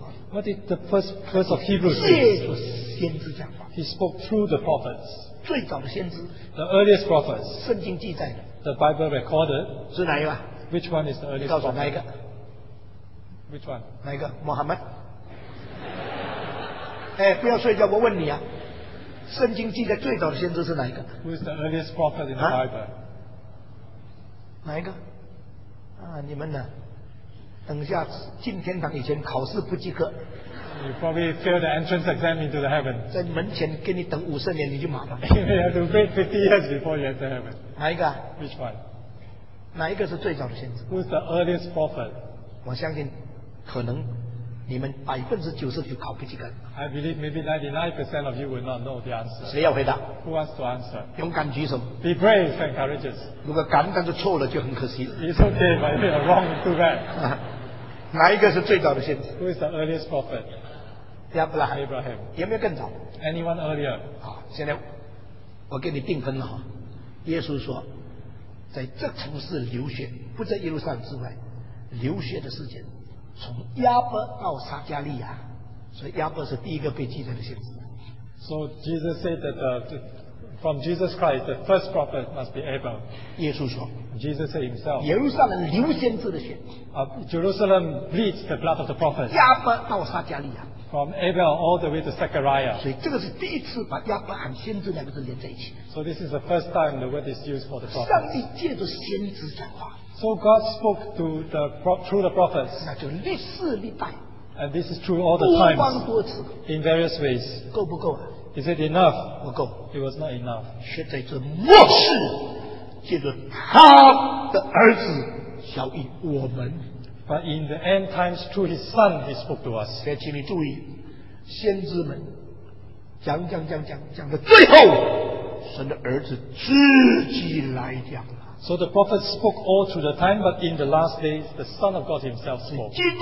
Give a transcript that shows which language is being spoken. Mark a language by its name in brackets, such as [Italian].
[English] What did the first verse of Hebrews say? He spoke through the prophets. The earliest prophets. The Bible recorded. Which one is the earliest prophet? Which one? [Chinese] 哪一个?Muhammad. 哎,不要睡觉,我问你啊, 圣经记载最早的先知是哪一个? [English] Who is the earliest prophet in the Bible? [Chinese] 哪一个?啊,你们呢?等下进天堂以前考试不及格, [English] you probably failed the entrance exam into the heaven. [Chinese] 在门前给你等50年, 你就麻烦, [English] you have to wait 50 years before you enter heaven. [Chinese] 哪一个? [English] Which one? [Chinese] 哪一个是最早的先知? [English] Who is the earliest prophet? [Chinese] 我相信可能你们90%就考不及格。 [English] I believe maybe 99% of you will not know the answer. [Chinese] 谁要回答? [English] Who wants to answer? [Chinese] 勇敢举手。 [English] Be brave and courageous. [Chinese] 如果敢但是错了就很可惜了。 [English] It's okay if you're wrong, too bad. [Chinese] 哪一个是最早的先知? [English] Who is the earliest prophet? [Chinese] Abraham. 有没有更早? [English] Anyone earlier? [Chinese] 现在我给你定分了。耶稣说, 在这城市流血, 不在耶路撒冷之外, 流血的事件, 从亚伯到撒加利亚, 所以亚伯是第一个被记载的先知。 [English] So Jesus said that from Jesus Christ, the first prophet must be Abraham. [Chinese] 耶稣说, [English] Jesus said himself, [Chinese] 耶路撒冷流先知的血, [English] Jerusalem bleeds the blood of the prophets. [Chinese] 亚伯到撒加利亚, [English] from Abel all the way to Zechariah. [Chinese] 所以这个是第一次把亚伯和先知两个字连在一起。 [English] So this is the first time the word is used for the prophet. [Chinese] 上帝借着先知讲话。 [English] So God spoke to the through the prophets. [Chinese] 那就历世历代。 [English] And this is true all the times. [Chinese] 多方多次。 [English] In various ways. [Chinese] 够不够啊? [English] Is it enough? [Chinese] 不够。 [English] It was not enough. [Chinese] 却在这末世借着他的儿子晓谕我们。 [English] But in the end times, through his son, he spoke to us. [Chinese] 请你注意, 先知们讲的最后, 神的儿子自己来讲了。 [English] So the prophet spoke all through the time, but in the last days, the Son of God himself spoke.